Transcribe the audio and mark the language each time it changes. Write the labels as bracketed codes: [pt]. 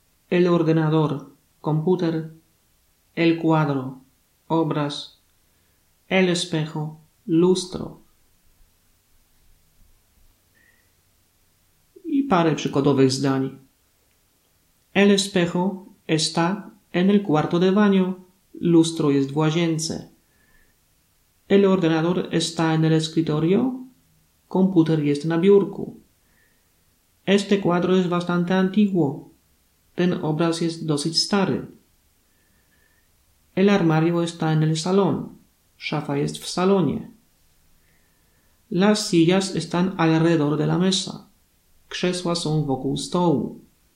[es] El ordenador, komputer. El cuadro, obraz. El espejo, lustro. [pl] I parę przykładowych zdań. [es] El espejo está en el cuarto de baño. [pl] Lustro jest w łazience. [es] El ordenador está en el escritorio. [pl] Komputer jest na biurku. [es] Este cuadro es bastante antiguo. [pl] Ten obraz jest dosyć stary. [es] El armario está en el salón. [pl] Szafa jest w salonie. [es] Las sillas están alrededor de la mesa. [pl] Krzesła są wokół stołu.